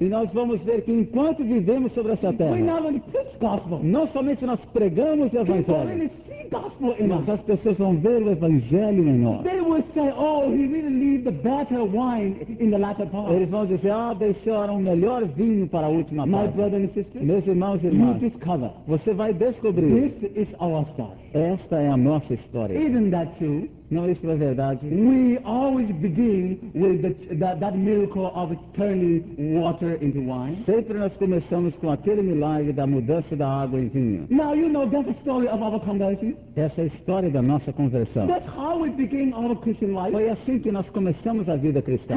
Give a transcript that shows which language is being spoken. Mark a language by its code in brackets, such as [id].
[pt] E nós vamos ver que enquanto vivemos sobre essa terra, [en] we not only preach gospel, [pt] não somente nós pregamos o evangelho, [en] gospel in us. [pt] As pessoas vão ver o evangelho em nós. [en] They will say, oh, he really leave the better wine in the latter part. [pt] Eles vão dizer, ah, deixaram o melhor vinho para a última parte. [en] My brother and sister, [pt] meus irmãos e irmãs, [en] you discover. [pt] Você vai descobrir. [en] This is our story. [pt] Esta é a nossa história. [en] Isn't that true? [pt] Não, isso é verdade. [en] We always begin with that miracle of turning water into wine. [pt] Sempre nós começamos com aquele milagre da mudança da água em vinho. [en] Now you know that's the story of our conversion. [pt] Essa é a história da nossa conversão. [en] That's how we begin our Christian life. [pt] Foi assim que nós começamos a vida cristã.